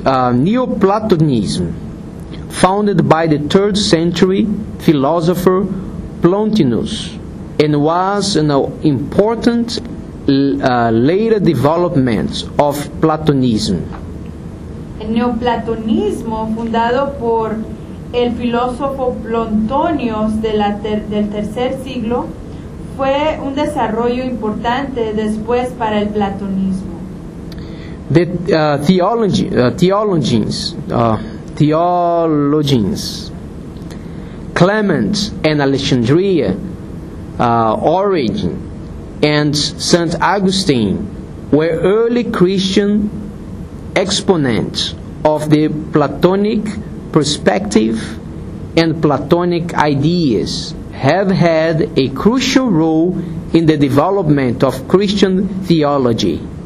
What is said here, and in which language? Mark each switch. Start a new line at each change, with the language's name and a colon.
English: Neoplatonism, founded by the 3rd century philosopher Plotinus, and was an important later development of Platonism.
Spanish: El neoplatonismo, fundado por el filósofo Plotinus del tercer siglo, fue un desarrollo importante después para el platonismo.
English: The theologians, Clement and Alexandria, Origen and Saint Augustine were early Christian exponents of the Platonic perspective, and Platonic ideas have had a crucial role in the development of Christian theology.